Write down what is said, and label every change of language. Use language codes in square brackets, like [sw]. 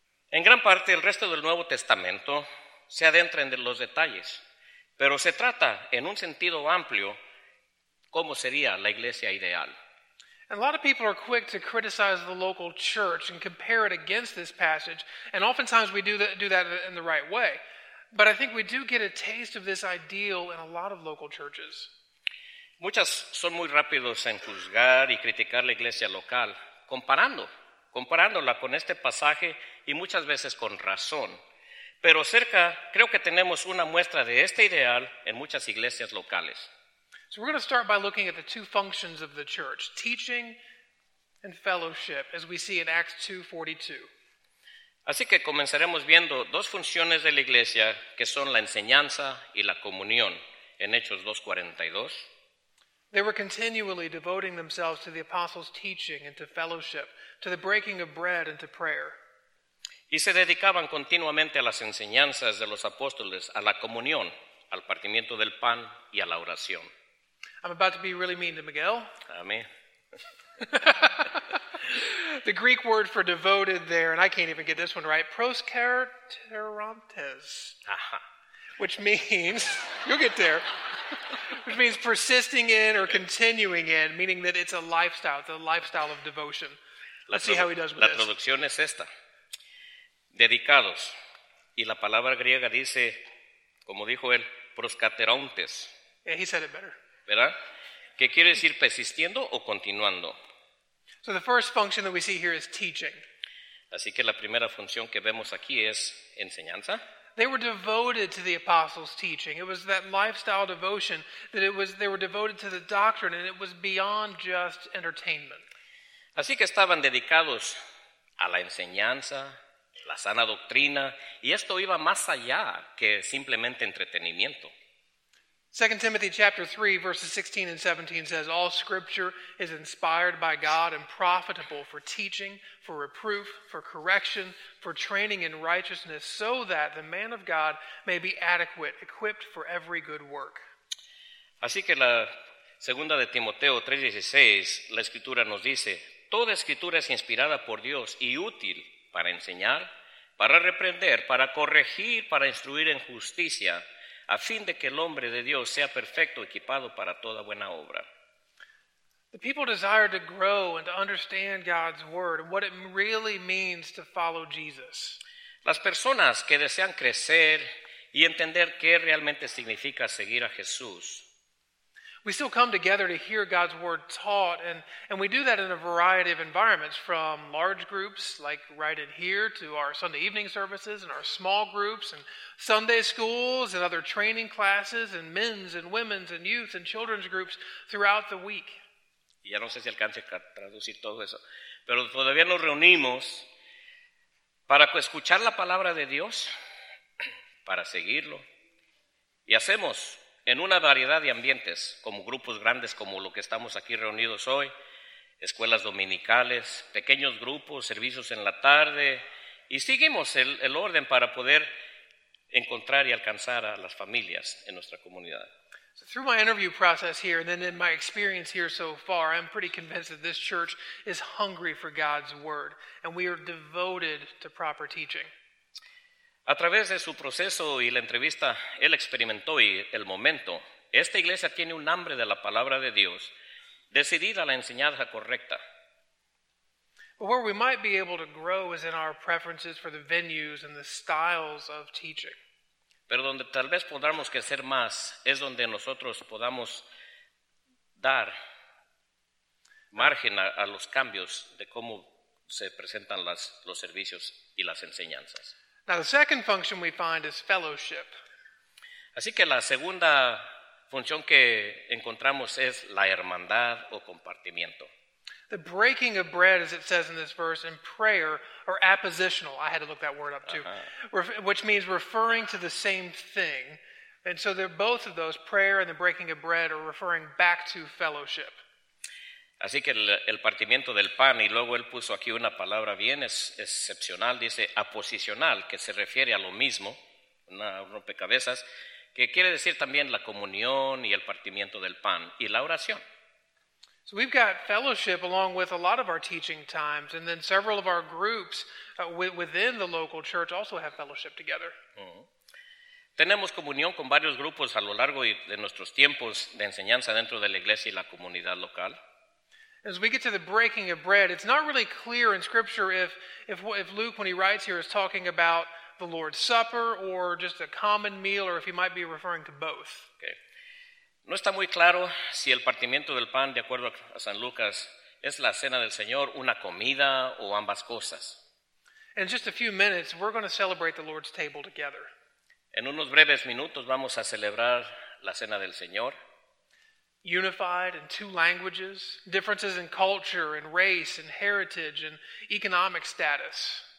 [es] En gran parte, el resto del Nuevo Testamento se adentra en los detalles, pero se trata, en un sentido amplio, cómo sería la iglesia ideal. [en] And a lot of people are quick to criticize the local church and compare it against this passage, and oftentimes we do that in the right way. But I think we do get a taste of this ideal in a lot of local churches. [es] Muchas son muy rápidos en juzgar y criticar la iglesia local, comparándola con este pasaje y muchas veces con razón. Pero cerca, creo que tenemos una muestra de este ideal en muchas iglesias locales. [en] So we're going to start by looking at the two functions of the church, teaching and fellowship, as we see in Acts 2:42. [es] Así que comenzaremos viendo dos funciones de la iglesia, que son la enseñanza y la comunión, en Hechos 2:42. [en] They were continually devoting themselves to the apostles' teaching and to fellowship, to the breaking of bread and to prayer. [es] Y se dedicaban continuamente a las enseñanzas de los apóstoles, a la comunión, al partimiento del pan y a la oración. [en] I'm about to be really mean to Miguel. [es] Amén. [en] The Greek word for devoted there, and I can't even get this one right, proskeraterontes, which means, you'll get there, which means persisting in or continuing in, meaning that it's a lifestyle, the lifestyle of devotion. Let's see how he does with this. [es] La traducción es esta, dedicados, y la palabra griega dice, como dijo él, proskeraterontes. [en] Yeah, he said it better. [es] ¿Verdad? ¿Qué quiere decir persistiendo o continuando? [en] So the first function that we see here is teaching. [es] Así que la primera función que vemos aquí es enseñanza. [en] They were devoted to the apostles' teaching. It was that lifestyle devotion that they were devoted to the doctrine, and it was beyond just entertainment. [es] Así que estaban dedicados a la enseñanza, la sana doctrina, y esto iba más allá que simplemente entretenimiento. [en] 2 Timothy chapter 3, verses 16 and 17 says, all scripture is inspired by God and profitable for teaching, for reproof, for correction, for training in righteousness, so that the man of God may be adequate, equipped for every good work. [es] Así que la segunda de Timoteo 3:16, la escritura nos dice, toda escritura es inspirada por Dios y útil para enseñar, para reprender, para corregir, para instruir en justicia, a fin de que el hombre de Dios sea perfecto, equipado para toda buena obra. [en] The people desired to grow and to understand God's word and what it really means to follow Jesus. [es] Las personas que desean crecer y entender qué realmente significa seguir a Jesús. [en] We still come together to hear God's word taught, and we do that in a variety of environments, from large groups like right in here to our Sunday evening services and our small groups and Sunday schools and other training classes and men's and women's and youth and children's groups throughout the week. [es] Ya no sé si alcance a traducir todo eso, pero todavía nos reunimos para escuchar la palabra de Dios, para seguirlo, y hacemos en una variedad de ambientes, como grupos grandes como lo que estamos aquí reunidos hoy, escuelas dominicales, pequeños grupos, servicios en la tarde, y seguimos el orden para poder encontrar y alcanzar a las familias en nuestra comunidad. [en] So through my interview process here, and then in my experience here so far, I'm pretty convinced that this church is hungry for God's word, and we are devoted to proper teaching. [es] A través de su proceso y la entrevista, él experimentó y el momento. Esta iglesia tiene un hambre de la palabra de Dios, decidida a la enseñanza correcta. [en] Where we might be able to grow is in our preferences for the venues and the styles of teaching. [es] Pero donde tal vez podamos crecer más es donde nosotros podamos dar margen a los cambios de cómo se presentan los servicios y las enseñanzas. [en] Now the second function we find is fellowship. [es] Así que la segunda función que encontramos es la hermandad o compartimiento. [en] The breaking of bread, as it says in this verse, and prayer are appositional. I had to look that word up too. Which means referring to the same thing. And so they're both of those, prayer and the breaking of bread, are referring back to fellowship. [es] Así que el partimiento del pan, y luego él puso aquí una palabra bien excepcional, dice aposicional, que se refiere a lo mismo, un rompecabezas, que quiere decir también la comunión y el partimiento del pan y la oración. [en] So we've got fellowship along with a lot of our teaching times, and then several of our groups within the local church also have fellowship together. [es] Tenemos comunión con varios grupos a lo largo de nuestros tiempos de enseñanza dentro de la iglesia y la comunidad local. [en] As we get to the breaking of bread, it's not really clear in Scripture if Luke, when he writes here, is talking about the Lord's Supper or just a common meal, or if he might be referring to both. Okay. [es] No está muy claro si el partimiento del pan, de acuerdo a San Lucas, es la cena del Señor, una comida o ambas cosas. [en] In just a few minutes, we're going to celebrate the Lord's table together. [es] En unos breves minutos vamos a celebrar la cena del Señor. [en] Unified in two languages, differences in culture and race and heritage and economic status.